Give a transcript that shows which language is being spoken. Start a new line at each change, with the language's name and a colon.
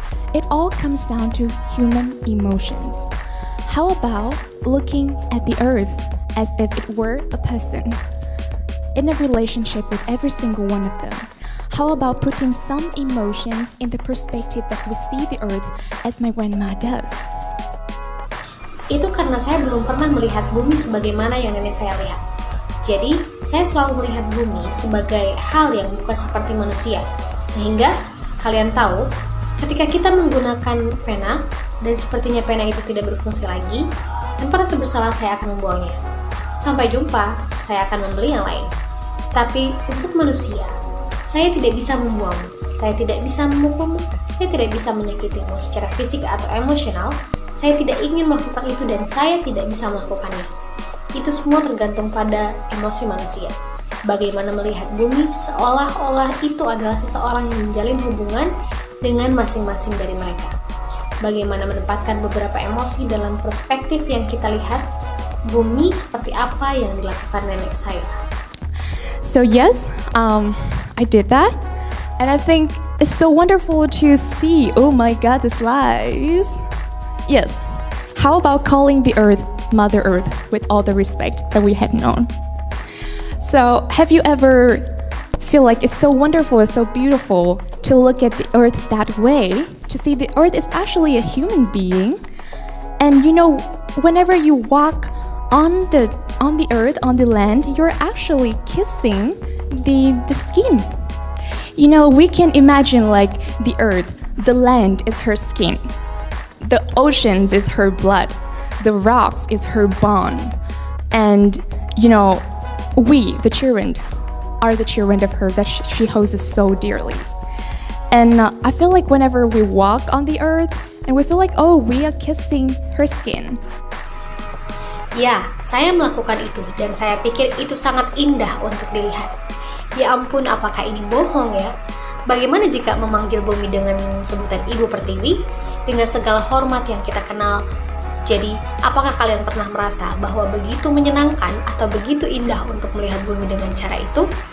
English: It all comes down to human emotions. How about looking at the earth as if it were a person? In a relationship with every single one of them, how about putting some emotions in the perspective that we see the earth as my grandma does?
Indonesian: Itu karena saya belum pernah melihat bumi sebagaimana yang nenek saya lihat. Jadi, saya selalu melihat bumi sebagai hal yang bukan seperti manusia. Sehingga, kalian tahu, ketika kita menggunakan pena, dan sepertinya pena itu tidak berfungsi lagi, tanpa rasa bersalah saya akan membuangnya. Sampai jumpa, saya akan membeli yang lain. Tapi, untuk manusia, saya tidak bisa membuangmu, saya tidak bisa memukulmu, saya tidak bisa menyakitimu secara fisik atau emosional, saya tidak ingin melakukan itu dan saya tidak bisa melakukannya. Itu semua tergantung pada emosi manusia. Bagaimana melihat bumi seolah-olah itu adalah seseorang yang menjalin hubungan dengan masing-masing dari mereka. Bagaimana menempatkan beberapa emosi dalam perspektif yang kita lihat bumi seperti apa yang dilakukan nenek saya.
English: So yes, I did that. And I think it's so wonderful to see, oh my god, the slides. Yes, how about calling the earth Mother Earth with all the respect that we had known? So have you ever feel like it's so wonderful, it's so beautiful to look at the earth that way, to see the earth is actually a human being? And you know, whenever you walk on the earth, on the land, you're actually kissing the skin. You know, we can imagine like the earth, the land is her skin. The oceans is her blood. The rocks is her bone. And you know, we, the children, are the children of her that she holds so dearly. And I feel like whenever we walk on the earth and we feel like, oh, we are kissing her skin.
Indonesian: Ya, saya melakukan itu dan saya pikir itu sangat indah untuk dilihat. Ya ampun, apakah ini bohong ya? Bagaimana jika memanggil bumi dengan sebutan Ibu Pertiwi dengan segala hormat yang kita kenal? Jadi, apakah kalian pernah merasa bahwa begitu menyenangkan atau begitu indah untuk melihat bumi dengan cara itu?